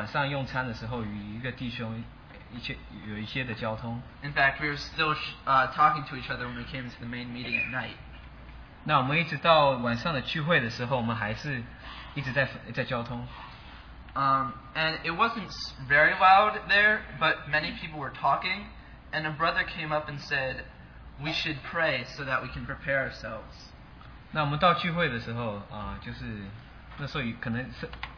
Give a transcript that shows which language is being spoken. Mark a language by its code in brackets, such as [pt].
[zh] 那有一次，我觉得我们主特别使用我是在我在晚上用餐的时候与一个弟兄。 [en] In fact, we were still talking to each other when we came to the main meeting at night. [zh] 那我们一直到晚上的聚会的时候，我们还是一直在交通。 [en] And it wasn't very loud there, but many people were talking, and a brother came up and said, "We should pray so that we can prepare ourselves." [zh] 那我们到聚会的时候，就是那时候可能是。